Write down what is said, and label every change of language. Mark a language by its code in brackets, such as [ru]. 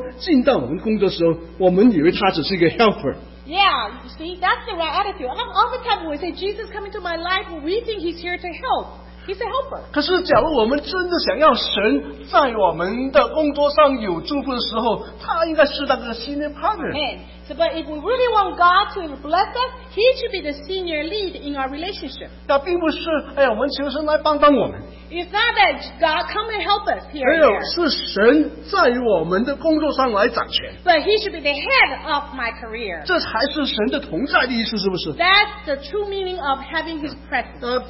[zh] 因为当我们邀请神进到我们的生活，进到我们工作的时候，我们以为他只是一个 helper。 [en] Yeah, you see, that's the right attitude. All the time we say Jesus coming to my life, we think he's here to help. He's a helper. [zh] 可是假如我们真的想要神在我们的工作上有祝福的时候，他应该是那个 senior partner。 [en] So, but if we really want God to bless us, he should be the senior lead in our relationship. [zh] 那并不是，哎呀，我们求神来帮帮我们。 [en] It's not that God come and help us here. [zh] 没有，是神在我们的工作上来掌权。 [en] But he should be the head of my career. [zh] 这才是神的同在的意思，是不是？ [en] That's the true meaning of having his presence.